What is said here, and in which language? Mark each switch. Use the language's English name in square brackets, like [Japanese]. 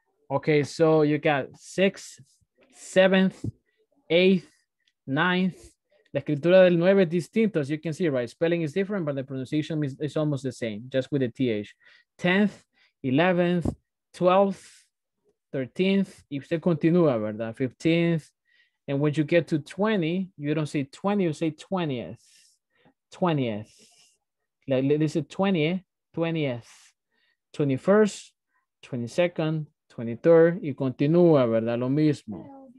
[English] Okay, so you got sixth, seventh, eighth, ninth. [Spanish] La escritura del 9 es distinto, [English] as you can see, right? Spelling is different, but the pronunciation is almost the same, just with the TH. 10th, 11th, 12th, 13th, [Spanish] y usted continúa, ¿verdad? [English] 15th, and when you get to 20, you don't say 20, you say 20th. 20th. This is 20th, 20th. 21st, 22nd, 23rd, [Spanish] y continúa, ¿verdad? Lo mismo.